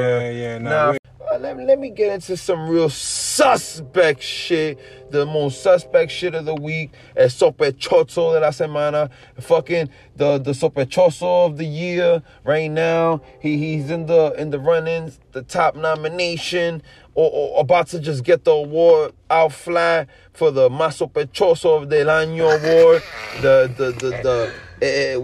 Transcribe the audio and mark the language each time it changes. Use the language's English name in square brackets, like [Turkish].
[English] Let me get into some real suspect shit. The most suspect shit of the week. [Spanish] El sospechoso de la semana. [English] Fucking the sospechoso of the year right now. He's in the runnings. The top nomination. Or about to just get the award out flat for the [Spanish] más sospechoso del año [English] award.